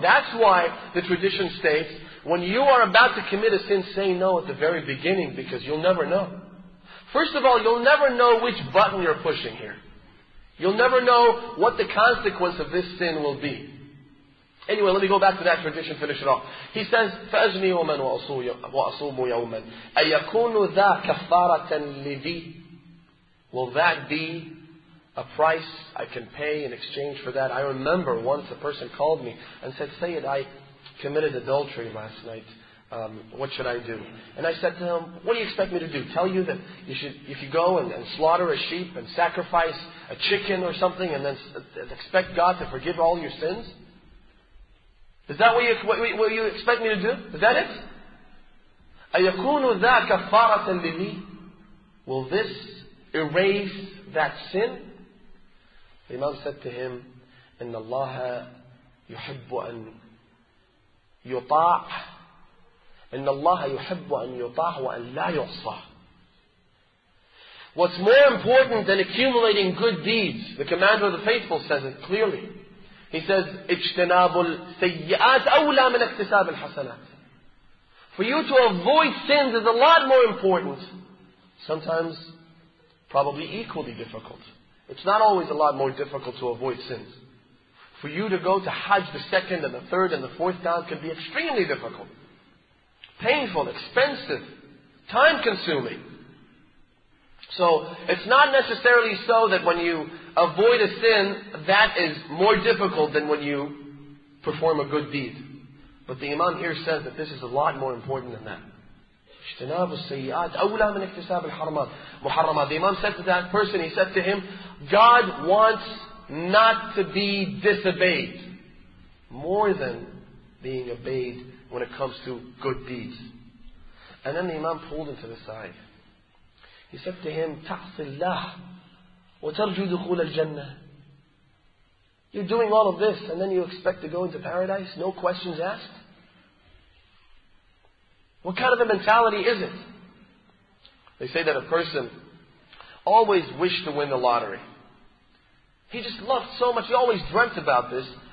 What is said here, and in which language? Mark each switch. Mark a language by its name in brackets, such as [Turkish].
[English] That's why the tradition states, when you are about to commit a sin, say no at the very beginning, because you'll never know. First of all, you'll never know which button you're pushing here. You'll never know what the consequence of this sin will be. Anyway, let me go back to that tradition, finish it off. He says, [Arabic] فَأَزْنِي يَوْمًا وَأَصُومُ يَوْمًا أَيَكُونُ ذَا كَفَّارَةً لِذِي. [English] Will that be a price I can pay in exchange for that? I remember once a person called me and said, Sayyid, I committed adultery last night. What should I do? And I said to him, what do you expect me to do? Tell you that you should, if you go and slaughter a sheep and sacrifice a chicken or something and then expect God to forgive all your sins? Is that what you expect me to do? Is that it? [Arabic] أَيَكُونُ ذَا كَفَّارَةً لِلِي. [English] Will this erase that sin? The Imam said to him, [Arabic] إِنَّ اللَّهَ يُحِبُّ أَن يُطَاعُ. إِنَّ اللَّهَ يُحِبُّ أَن يُطَاعُ وَأَن لَا يُعْصَى. [English] What's more important than accumulating good deeds? The Commander of the Faithful says it clearly. He says, [Arabic] اجْتَنَابُ السَّيِّئَاتِ أَوْلَى مِنْ اكْتِسَابِ الْحَسَنَاتِ. [English] For you to avoid sins is a lot more important. Sometimes, probably equally difficult. It's not always a lot more difficult to avoid sins. For you to go to Hajj the second and the third and the fourth time can be extremely difficult. Painful, expensive, time-consuming. So, it's not necessarily so that when you avoid a sin, that is more difficult than when you perform a good deed. But the Imam here says that this is a lot more important than that. [Arabic] اجتناب السيئات أولى من اكتساب الحرمات محرمات. [English] The Imam said to that person, he said to him, God wants not to be disobeyed more than being obeyed when it comes to good deeds. And then the Imam pulled him to the side. He said to him, [Arabic] تعصي الله وترجو دخول الجنة. [English] You're doing all of this and then you expect to go into paradise? No questions asked? What kind of a mentality is it? They say that a person always wished to win the lottery. He just loved so much. He always dreamt about this.